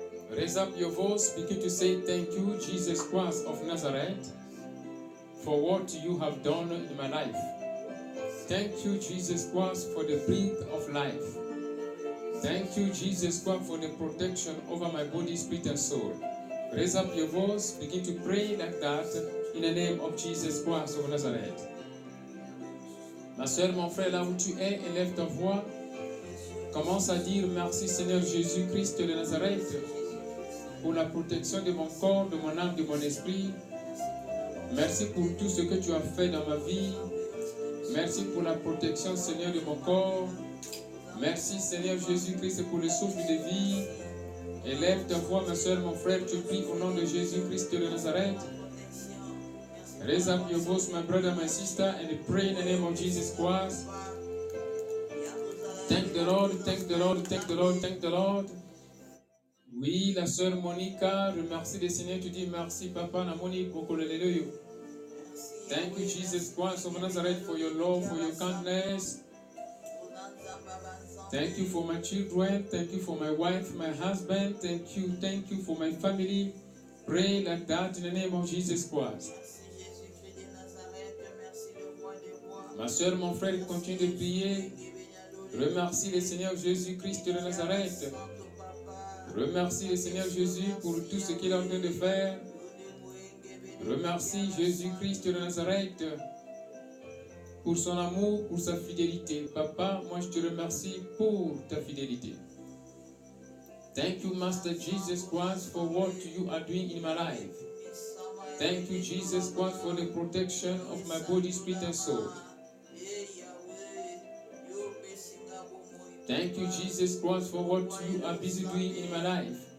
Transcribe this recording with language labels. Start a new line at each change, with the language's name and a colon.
English: Raise up your voice, begin to say thank you, Jesus Christ of Nazareth, for what you have done in my life. Thank you, Jesus Christ, for the breath of life. Thank you, Jesus Christ, for the protection over my body, spirit, and soul. Raise up your voice, begin to pray like that, in the name of Jesus Christ of Nazareth.
French: Ma soeur, mon frère, là où tu es, élève ta voix. Commence à dire merci, Seigneur Jésus Christ de Nazareth, pour la protection de mon corps, de mon âme, de mon esprit. Merci pour tout ce que tu as fait dans ma vie. Merci pour la protection, Seigneur, de mon corps. Merci, Seigneur Jésus-Christ, pour le souffle de vie. Élève ta voix, ma soeur, mon frère, tu pries au nom de Jésus-Christ de Nazareth.
English: Raise up your voice, my brother, my sister, and pray in the name of Jesus Christ. Thank the Lord, thank the Lord, thank the Lord, thank the Lord.
French: Oui, la sœur Monica, remercie le Seigneur, tu dis merci Papa Namoni, beaucoup l'alléluia.
English: Thank you Jesus Christ of Nazareth for your love, for your kindness. Thank you for my children, thank you for my wife, my husband, thank you for my family. Pray like that in the name of Jesus Christ.
French: Ma sœur, mon frère, continue de prier. Remercie le Seigneur Jésus Christ de Nazareth. Remercie le Seigneur Jésus pour tout ce qu'il est en train de faire. Remercie Jésus-Christ de Nazareth pour son amour, pour sa fidélité. Papa, moi je te remercie pour ta fidélité.
English: Thank you, Master Jesus Christ, for what you are doing in my life. Thank you, Jesus Christ, for the protection of my body, spirit, and soul. Thank you, Jesus Christ, for what you are busy doing in my life.